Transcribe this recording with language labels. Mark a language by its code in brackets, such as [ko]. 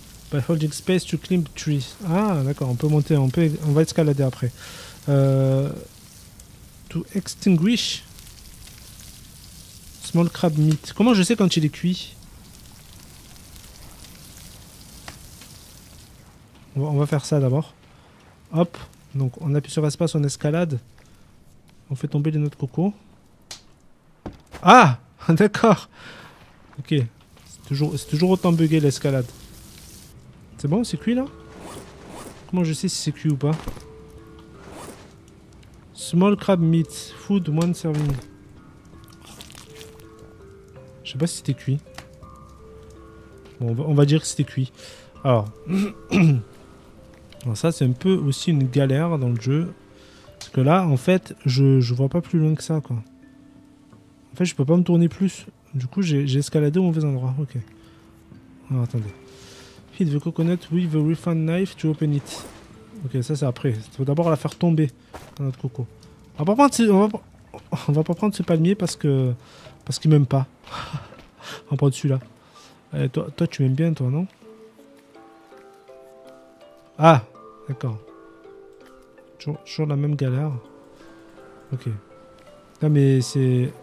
[en] By holding space to climb trees. [fr] Ah, d'accord, on peut monter, on va escalader après. [en] To extinguish... Small crab meat. [fr] Comment je sais quand il est cuit? On va faire ça d'abord. Hop, donc on appuie sur espace, on escalade. On fait tomber les noix de coco. Ah, d'accord. Ok, c'est toujours autant bugué l'escalade. C'est bon, c'est cuit là? Comment je sais si c'est cuit ou pas? [en] Small crab meat, food one serving. [fr] Je sais pas si c'était cuit. Bon, on va dire que c'était cuit. Alors. Alors ça, c'est un peu aussi une galère dans le jeu. Parce que là, en fait, je vois pas plus loin que ça, quoi. En fait, je peux pas me tourner plus. Du coup, j'ai escaladé au mauvais endroit. Ok. Alors, attendez. [en] Hit the coconut with a refund knife to open it. [fr] Ok, ça, c'est après. Il faut d'abord la faire tomber, dans notre coco. On va pas prendre ce palmier parce que... Parce qu'il m'aime pas. On prend celui-là. Toi, tu m'aimes bien, toi, non? Ah, d'accord. Toujours la même galère. Ok. Non, mais c'est...